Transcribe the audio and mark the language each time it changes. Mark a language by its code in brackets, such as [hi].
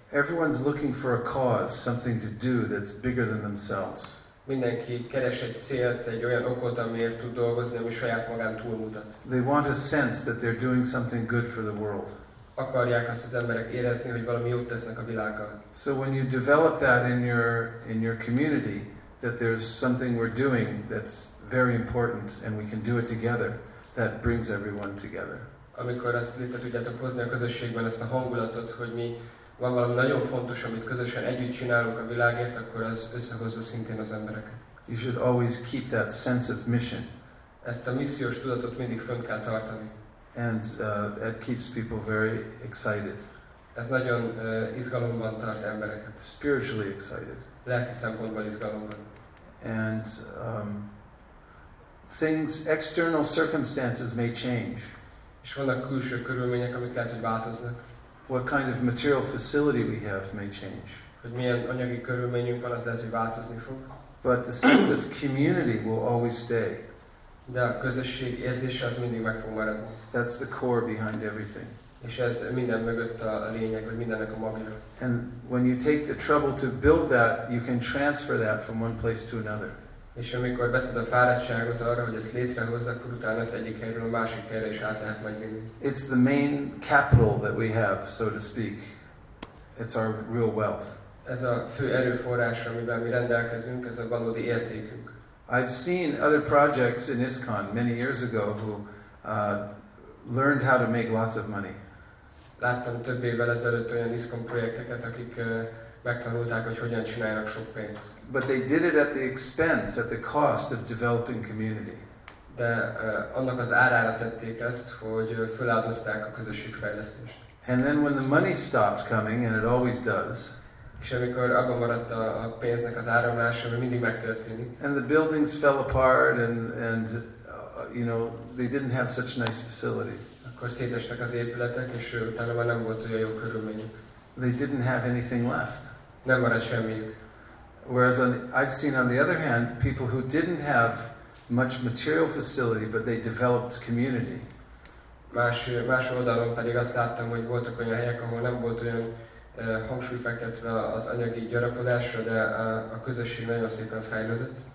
[en] Everyone's looking for a cause, something to do that's bigger than themselves. [hu] Mindenki keres egy célt, egy olyan okot, amiért tud dolgozni, ami saját magán túlmutat. [en] They want a sense that they're doing something good for the world. [hu] Akarják azt az emberek érezni, hogy valami jót tesznek a világgal. [en] So when you develop that in your community, that there's something we're doing that's very important and we can do it together, that brings everyone together. [hu] Amikor azt létre tudjátok hozni a közösségben ezt a hangulatot, hogy mi van valami nagyon fontos, amit közösen együtt csinálunk a világért, akkor az összehozza szintén az embereket. [en] You should always keep that sense of mission. [hu] Ezt a missziós tudatot mindig fönt kell tartani. [en] And that keeps people very excited. [hu] Ez nagyon izgalomban tart embereket. [en] Spiritually excited. [hu] Lelki szempontból izgalomban. [en] And things, external circumstances may change. [hu] És vannak külső körülmények, amik lehet, hogy változnak. [en] What kind of material facility we have may change. [hu] Hogy milyen anyagi körülményünk van, az lehet, hogy változni fog. [en] But the sense of community will always stay. [hu] De a közösség érzése az mindig meg fog maradni. [en] That's the core behind everything. [hu] És ez minden mögött a lényeg, vagy mindennek a magja. [en] And when you take the trouble to build that, you can transfer that from one place to another. [hu] És amikor veszed a fáradtságot arra, hogy ezt létrehozz, akkor utána ezt egyik helyről a másik helyre is át lehet majd vinni. [en] It's the main capital that we have, so to speak. It's our real wealth. [hu] Ez a fő erőforrás, amivel mi rendelkezünk, ez a valódi értékünk. [en] I've seen other projects in ISKCON many years ago who learned how to make lots of money. [hu] Láttam több évvel ezelőtt olyan ISKCON projekteket, akik megtanulták, hogy hogyan csinálnak sok pénzt. [en] But they did it at the expense, at the cost of developing community. [hu] De annak az árára tették ezt, hogy feláldozták a közösségfejlesztést. [en] And then when the money stopped coming, and it always does. [hu] És amikor abban maradt a pénznek az áramlása, ami mindig megtörténik. [en] And the buildings fell apart, and they didn't have such nice facility. [hu] Akkor szétestek az épületek, és utána már nem volt olyan jó körülményük. [en] They didn't have anything left. [hu] Nem maradt semmiük. [en] Whereas I've seen on the other hand people who didn't have much material facility but they developed community. [hu] Más oldalon pedig azt láttam, hogy voltak olyan helyek, ahol nem volt olyan hangsúly fektetve az anyagi gyarapodásra, de a közösség nagyon szépen fejlődött.